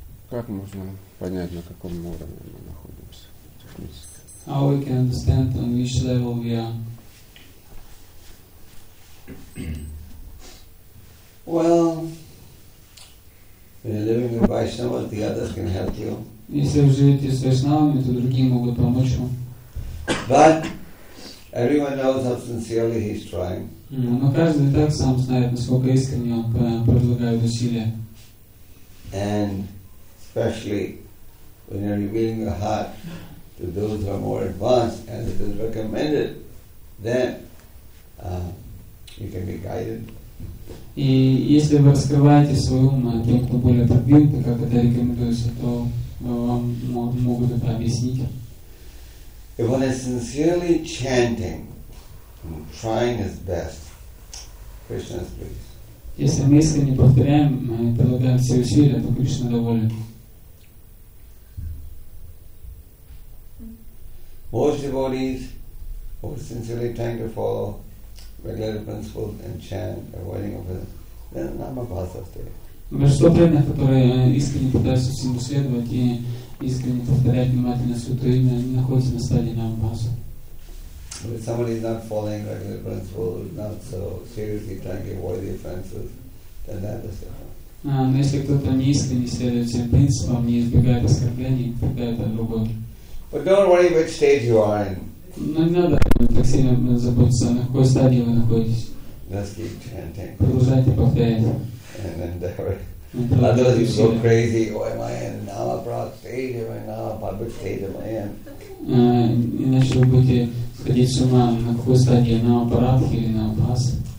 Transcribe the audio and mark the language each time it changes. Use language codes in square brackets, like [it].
[ru] Как можно понять, на каком уровне мы находимся технически? [en] How we can understand on which level we are? Well, when you're living in Vaishnava, the others can help you. [ru] Если вы живете с Вайшнавами, то другие могут помочь вам. [en] But everyone knows how sincerely he's trying. [ru] Но каждый так сам знает, насколько искренне он предлагает усилия. [en] And especially when you're revealing your heart to those who are more advanced, as it is recommended, then you can be guided. [ru] И если вы раскрываете свой ум тем, кто более продвинутый, как это рекомендуется, то вам могут это объяснить. [en] If one is sincerely chanting, trying his best, Krishna is pleased. [ru] Если мы искренне повторяем, мы прилагаем все усилия, то Кришна доволен. [en] Most devotees who are sincerely trying to follow regular principles and chant, avoiding offense, then Namabhasa stage. [ru] Большинство преданных, которые искренне пытаются всему следовать и искренне повторять внимательно святое имя, они находятся на стадии Намабхаса. [en] If somebody is not following regular principles, not so seriously trying to avoid the offenses, then that is different. [ru] Но если кто-то не искренне следует всем принципам, не избегает оскорблений, тогда это другое. [en] But don't worry which stage you are in. [ru] Но не надо так сильно заботиться, на какой стадии вы находитесь. [en] Just keep chanting. [ru] Продолжайте повторять. [en] And endeavor. Otherwise you go crazy. Oh, am I in Namabhasa stage? Am I in Namabhasa stage? Am I in? [ru] Иначе вы будете сходить с ума, на какой стадии, на аппаратке или на аббасе.